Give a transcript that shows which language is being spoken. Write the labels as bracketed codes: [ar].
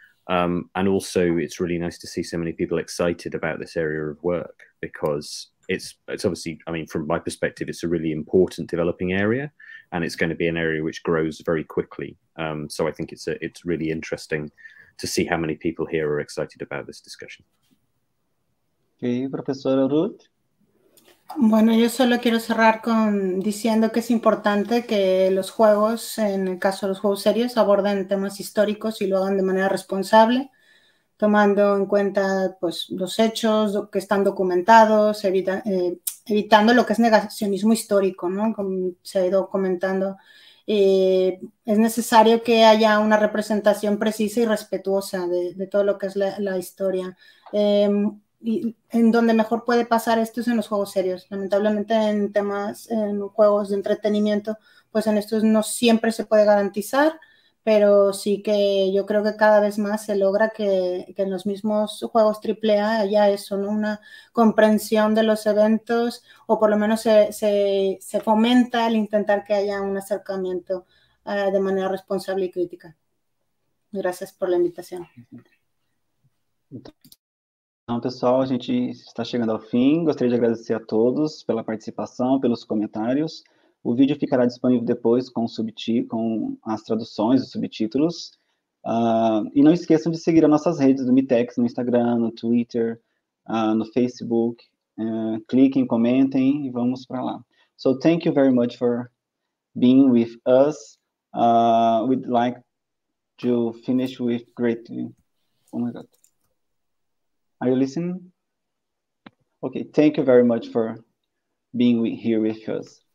[en] And also, it's really nice to see so many people excited about this area of work, because it's obviously, I mean, from my perspective, it's a really important developing area, and it's going to be an area which grows very quickly. So I think it's really interesting to see how many people here are excited about this discussion. Okay, Professora Ruth. [es] Bueno, yo solo quiero cerrar con diciendo que es importante que los juegos, en el caso de los juegos serios, aborden temas históricos y lo hagan de manera responsable, tomando en cuenta pues los hechos que están documentados, evitando lo que es negacionismo histórico, ¿no? Como se ha ido comentando. Es necesario que haya una representación precisa y respetuosa de todo lo que es la historia. Y en donde mejor puede pasar esto es en los juegos serios. Lamentablemente en juegos de entretenimiento, pues en estos no siempre se puede garantizar, pero sí que yo creo que cada vez más se logra que en los mismos juegos AAA haya eso, ¿no? Una comprensión de los eventos, o por lo menos se fomenta el intentar que haya un acercamiento de manera responsable y crítica. Gracias por la invitación. Entonces, [pt] Então, pessoal, a gente está chegando ao fim. Gostaria de agradecer a todos pela participação, pelos comentários. O vídeo ficará disponível depois com as traduções e subtítulos. E não esqueçam de seguir as nossas redes do Mitex no Instagram, no Twitter, no Facebook. Cliquem, comentem e vamos para lá. [en] So, thank you very much for being with us. We'd like to finish with great... Oh, my God. Are you listening? Okay, thank you very much for being here with us.